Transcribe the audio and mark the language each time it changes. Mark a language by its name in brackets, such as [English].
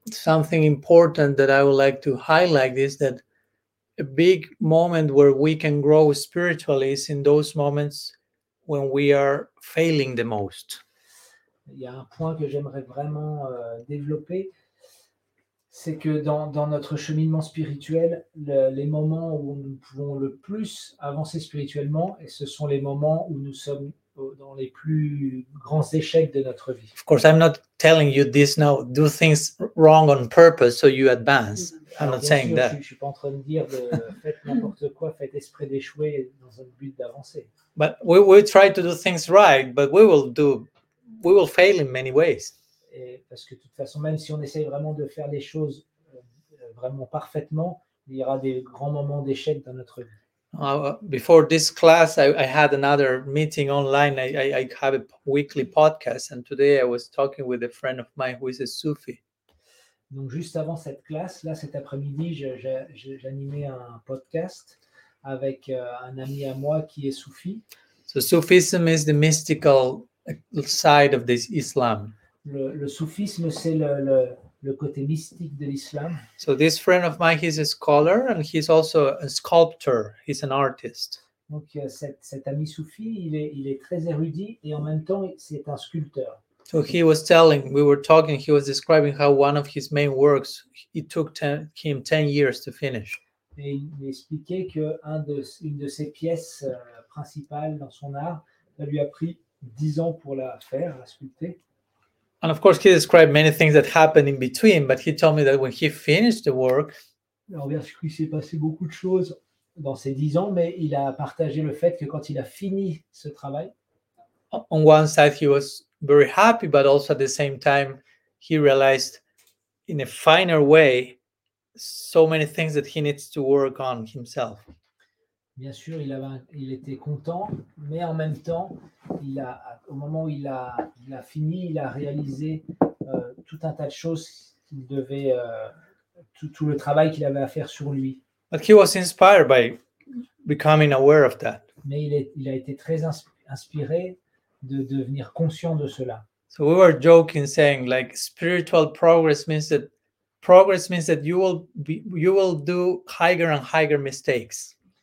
[English] Something important that I would like to highlight is that a big moment where we can grow spiritually is in those moments when we are failing the most. [French] Il y a un point que j'aimerais vraiment développer, c'est que dans notre cheminement spirituel, les moments où nous pouvons le plus avancer spirituellement, et ce sont les moments où nous sommes dans les plus grands échecs de notre vie. [English] Of course, I'm not telling you this now. Do things wrong on purpose so you advance. I'm not saying that. [French] Je suis pas en train de dire faites n'importe quoi, faites esprit d'échouer dans un but d'avancer. [English] But we try to do things right, but we will fail in many ways. [French] Et parce que de toute façon, même si on essaye vraiment de faire les choses vraiment parfaitement, il y aura des grands moments d'échec dans notre vie. [English] Before this class, I had another meeting online. I have a weekly podcast, and today I was talking with a friend of mine who is a Sufi. [French] Donc juste avant cette classe, là cet après-midi, j'animais un podcast avec un ami à moi qui est Sufi. [English] So Sufism is the mystical side of this Islam. [French] Le soufisme, c'est le côté mystique de l'islam. [English] So this friend of mine, he's a scholar and he's also a sculptor. He's an artist. [French] Donc cet ami soufi, il est très érudit et en même temps c'est un sculpteur. [English] So he was telling, we were talking, he was describing how one of his main works, it took him 10 years to finish. [French] Et il expliquait que une de ses pièces principales dans son art, ça lui a pris 10 ans pour la faire, la sculpter. [English] And of course, he described many things that happened in between, but he told me that when he finished the work, [French] alors bien sûr, il s'est passé beaucoup de choses dans ces 10 ans, mais il a partagé le fait que quand il a fini ce travail, [English] on one side, he was very happy, but also at the same time, he realized in a finer way so many things that he needs to work on himself. [French] Bien sûr, il était content, mais en même temps, au moment où il a fini, il a réalisé tout un tas de choses qu'il devait, tout le travail qu'il avait à faire sur lui. [English] But he was inspired by becoming aware of that. [French] Mais il a été très inspiré de devenir conscient de cela. [English] So we were joking, saying like spiritual progress means that you will do higher and higher mistakes.